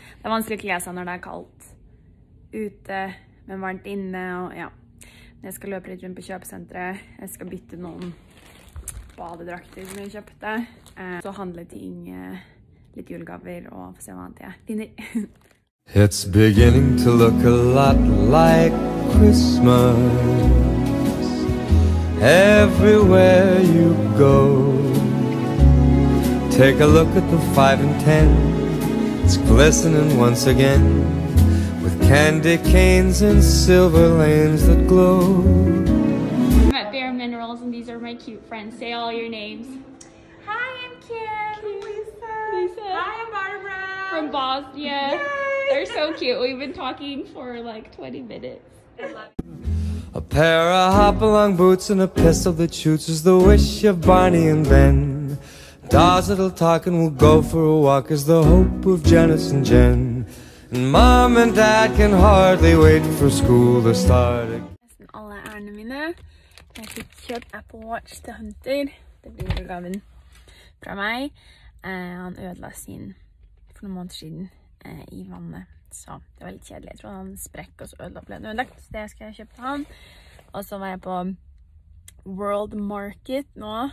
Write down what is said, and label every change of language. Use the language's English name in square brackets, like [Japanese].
[Norwegian] Det er vanskelig å kle seg når det er kaldt ute, men varmt inne og ja. Jeg skal løpe litt rundt på kjøpesenteret. Jeg skal bytte noen badedrakter som jeg kjøpte. Så handle ting, litt julegaver og få se hva annet jeg finner. [English] It's beginning to look a lot like Christmas everywhere you go. Take a look at the 5 and 10. It's glistening once again. Candy canes and silver lanes that glow. I'm at Bare Minerals and these are my cute friends. Say all your names. Hi, I'm Kim. Lisa. Hi, I'm Barbara. From Bosnia. Yay. They're so cute. We've been talking for like 20 minutes. A pair of hop-along boots and a pistol that shoots is the wish of Barney and Ben. Dolls that'll talk and we'll go for a walk is the hope of Janice and Jen. Mom and dad can hardly wait for school to start. [Norwegian] Nesten alle ærene mine. Jeg fikk kjøpt Apple Watch til Hunter. Det blir julegaven fra meg. Han ødela sin for noen måneder siden i vannet. Så det var litt kjedelig. Jeg tror han sprekk og så ødela ble ødelagt. Så det skal jeg kjøpe til han. Og så var jeg på World Market nå.